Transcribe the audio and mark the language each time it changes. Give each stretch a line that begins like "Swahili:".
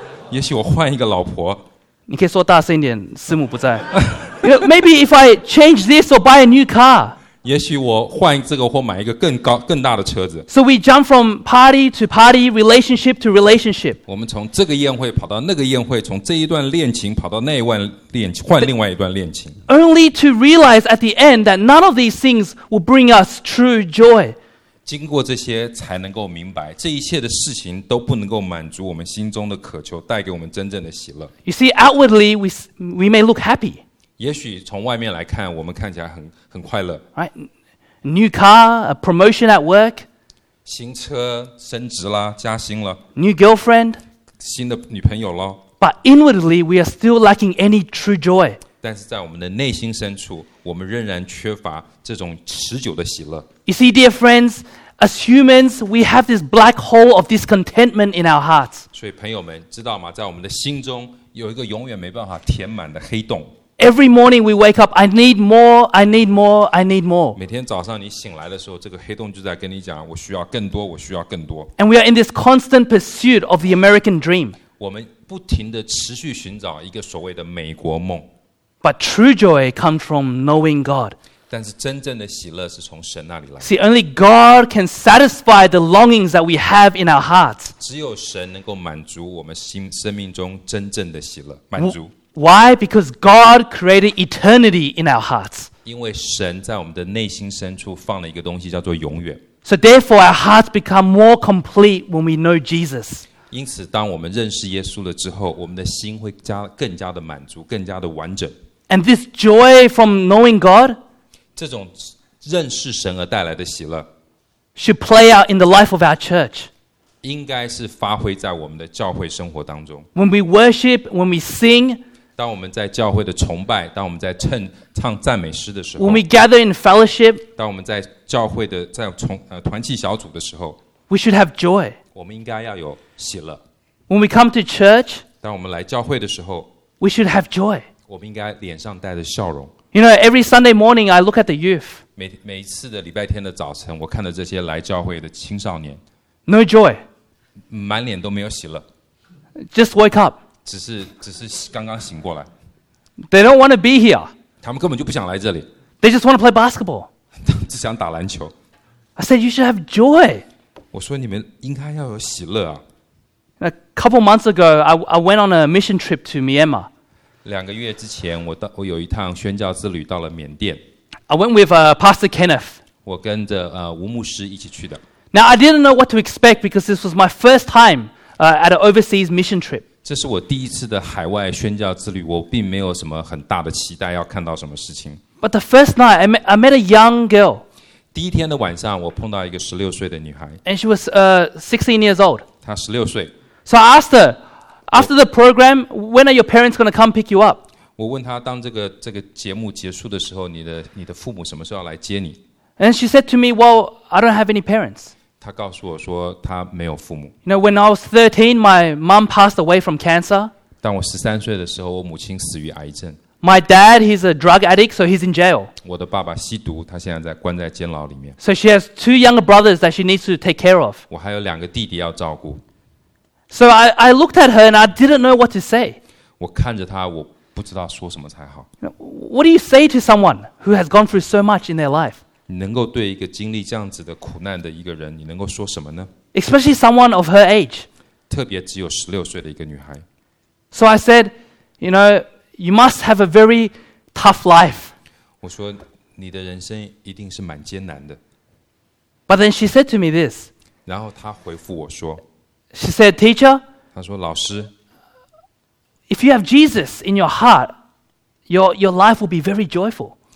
Chinese: 也许我换一个老婆。你可以说大声一点，师母不在。
English: Maybe if I change this or buy a new car.
Chinese: 也许我换这个或买一个更大的车子。
English: So we jump from party to party, relationship to relationship.
Chinese: 我们从这个宴会跑到那个宴会，从这一段恋情跑到那一段恋情，换另外一段恋情。
English: Only to realize at the end that none of these things will bring us true joy.
Chinese: 经过这些才能够明白，这一切的事情都不能够满足我们心中的渴求，带给我们真正的喜乐。
English: You see, outwardly we may look happy.
Chinese: 也许从外面来看，我们看起来很快乐。
English: Right, new car, a promotion at work.
Chinese: 新车升职啦，加薪了。
English: New girlfriend.
Chinese: 新的女朋友咯。
English: But inwardly, we are still lacking any true joy.
Chinese: 但是在我们的内心深处，我们仍然缺乏这种持久的喜乐。
English: You see, dear friends, as humans, we have this black hole of discontentment in our hearts.
Chinese: 所以朋友们，知道吗？在我们的心中有一个永远没办法填满的黑洞。
English: Every morning we wake up, I need more, I need more, I need more.
Chinese: 每天早上你醒来的时候，这个黑洞就在跟你讲，我需要更多，我需要更多。
English: And we are in this constant pursuit of the American dream.
Chinese: 我们不停地持续寻找一个所谓的美国梦。
English: But true joy comes from knowing God.
Chinese: 但是真正的喜乐是从神那里来。
English: See, only God can satisfy the longings that we have in our hearts.
Chinese: 只有神能够满足我们心生命中真正的喜乐，满足。
English: Why? Because God created eternity in our hearts.
Chinese: 因为神在我们的内心深处放了一个东西叫做永远。
English: So therefore, our hearts become more complete when we know Jesus.
Chinese: 因此，当我们认识耶稣了之后，我们的心会更加的满足，更加的完整。
English: And this joy from knowing God,
Chinese: 这种认识神而带来的喜乐
English: should play out in the life of our church.
Chinese: 应该是发挥在我们的教会生活当中。
English: When we worship, when we sing.
Chinese: 当我们在教会的崇拜，当我们在唱赞美诗的时候
English: ，When we gather in fellowship，
Chinese: 当我们在教会的在团契小组的时候
English: ，We should have joy。
Chinese: 我们应该要有喜乐。
English: When we come to church，
Chinese: 当我们来教会的时候
English: ，We should have joy。
Chinese: 我们应该脸上带着笑容。
English: You know, every Sunday morning I look at the youth。
Chinese: 每一次的礼拜天的早晨，我看到这些来教会的青少年
English: ，No joy，
Chinese: 满脸都没有喜乐
English: ，Just wake up。
Chinese: 只是刚刚醒过来。
English: They don't want to be here.
Chinese: 他们根本就不想来这里。
English: They just want to play basketball.
Chinese: 只想打篮球。
English: I said you should have joy.
Chinese: 我说你们应该要有喜乐啊。
English: A couple months ago, I went on a mission trip to Myanmar.
Chinese: 两个月之前，我有一趟宣教之旅到了缅甸。
English: I went with Pastor Kenneth.
Chinese: 我跟着吴牧师一起去的。
English: Now I didn't know what to expect because this was my first time at an overseas mission trip.
Chinese: 这是我第一次的海外宣教之旅，我并没有什么很大的期待要看到什么事情。
English: But the first night, I met a young girl.
Chinese: 第一天的晚上，我碰到一个十六岁的女孩。
English: And she was 16 years old.
Chinese: 她十六岁。
English: So I asked her, after the program, when are your parents going to come pick you up?
Chinese: 我问她，当这个节目结束的时候，你的父母什么时候要来接你
English: ？And she said to me, "Well, I don't have any parents."
Chinese: 他告诉我说他没有父母。
English: You know, when I was 13, my mom passed away from cancer.
Chinese: 当我13岁的时候，我母亲死于癌症。
English: My dad, he's a drug addict, so he's in jail.
Chinese: 我的爸爸吸毒，他现在在关在监牢里面。
English: So she has two younger brothers that she needs to take care of.
Chinese: 我还有两个弟弟要照顾。
English: So I looked at her and I didn't know what to say.
Chinese: 我看着她，我不知道说什么才好。
English: What do you say to someone who has gone through so much in their life?
Chinese: 你能够对一个经历这样子的苦难的一个人，你能够说什么呢
English: ？Especially someone of her age，
Chinese: 特别只有十六岁的一个女孩。
English: So I said, you know, you must have a very tough life.
Chinese: 我说你的人生一定是蛮艰难的。
English: But then she said to me this.
Chinese: 然后她回复我说
English: ，She said, teacher.
Chinese: 她说老师
English: ，If you have Jesus in your heart, your life will be very joyful.